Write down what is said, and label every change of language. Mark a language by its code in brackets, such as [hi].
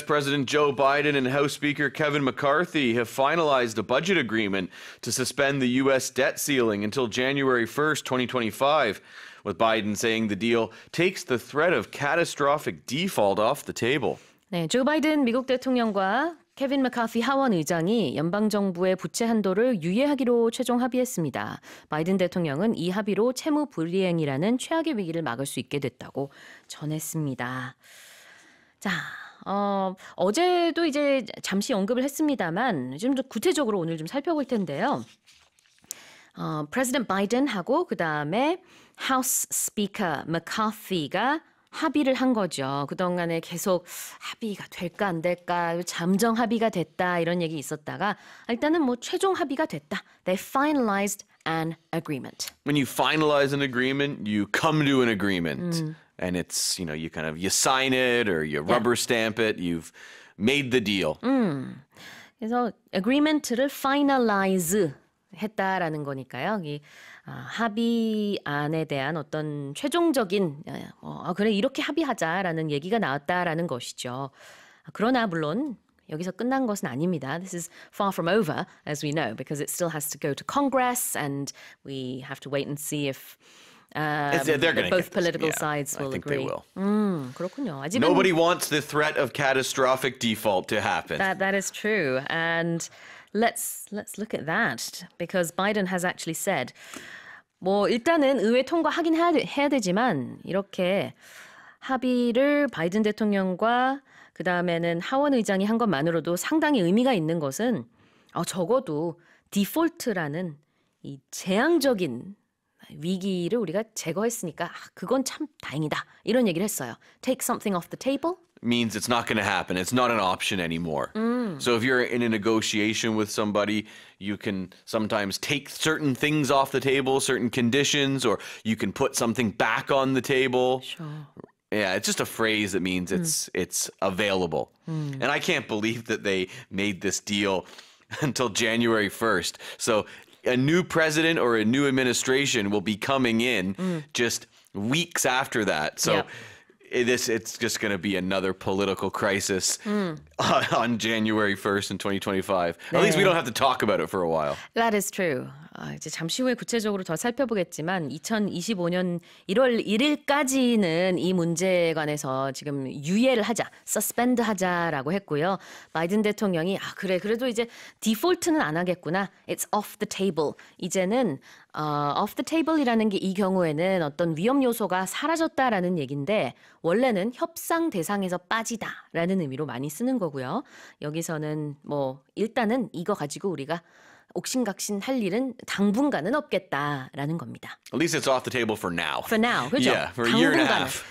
[en] President Joe Biden and House Speaker Kevin McCarthy have finalized a budget agreement to suspend the U.S. debt ceiling until January 1, 2025, with Biden saying the deal takes the threat of catastrophic default off the table. [ko] 네, 조 바이든 미국 대통령과 케빈 맥카피 하원 의장이 연방정부의 부채 한도를 유예하기로 최종 합의했습니다. 바이든 대통령은 이 합의로 채무 불이행이라는 최악의 위기를 막을 수 있게 됐다고 전했습니다. 자, 어제도 이제 잠시 언급을 했습니다만 좀 구체적으로 오늘 좀 살펴볼 텐데요. 프레지던트 바이든하고 그다음에 하우스 스피커 맥카피가 합의를 한 거죠. 그동안에 계속 합의가 될까 안 될까, 잠정 합의가 됐다 이런 얘기 있었다가 일단은 뭐 최종 합의가 됐다. [en] They finalized an agreement. When you finalize an agreement, you come to an agreement. And it's, you know, you kind of, you sign it or you rubber stamp it. You've made the deal. [ko] 그래서 agreement를 finalize 했다라는 거니까요. 이 합의안에 대한 어떤 최종적인 그래 이렇게 합의하자라는 얘기가 나왔다라는 것이죠. 그러나 물론 여기서 끝난 것은 아닙니다. [en] This is far from over, as we know, because it still has to go to Congress, and we have to wait and see if both political sides will agree. I think they will. [ko] 그렇군요. [en] Nobody wants the threat of catastrophic default to happen. That is true, and. Let's look at that because Biden has actually said, [ko] 뭐 일단은 의회 통과하긴 해야 되지만 이렇게 합의를 바이든 대통령과 그 다음에는 하원 의장이 한 것만으로도 상당히 의미가 있는 것은 적어도 디폴트라는 이 재앙적인 위기를 우리가 제거했으니까 그건 참 다행이다 이런 얘기를 했어요. [en] Take something off the table. Means it's not going to happen. It's not an option anymore. So if you're in a negotiation with somebody, you can sometimes take certain things off the table, certain conditions, or you can put something back on the table. Sure. Yeah, it's just a phrase that means it's available. And I can't believe that they made this deal until January 1st. So a new president or a new administration will be coming in just weeks after that. So. Yep. It's just going to be another political crisis on January 1st in 2025. 네. At least we don't have to talk about it for a while. That is true. [ko] 이제 잠시 후에 구체적으로 더 살펴보겠지만 2025년 1월 1일까지는 이 문제에 관해서 지금 유예를 하자, suspend 하자라고 했고요. 바이든 대통령이 그래도 이제 디폴트는 안 하겠구나. [en] It's off the table. [ko] 이제는 [en] off the table [ko] 이라는 게 이 경우에는 어떤 위험 요소가 사라졌다라는 얘기인데 원래는 협상 대상에서 빠지다라는 의미로 많이 쓰는 거고요. 여기서는 뭐 일단은 이거 가지고 우리가 옥신각신 할 일은 당분간은 없겠다라는 겁니다. [en] At least it's off the table for now. For now, [ko] 그렇죠? [en] Yeah, for a year and a half.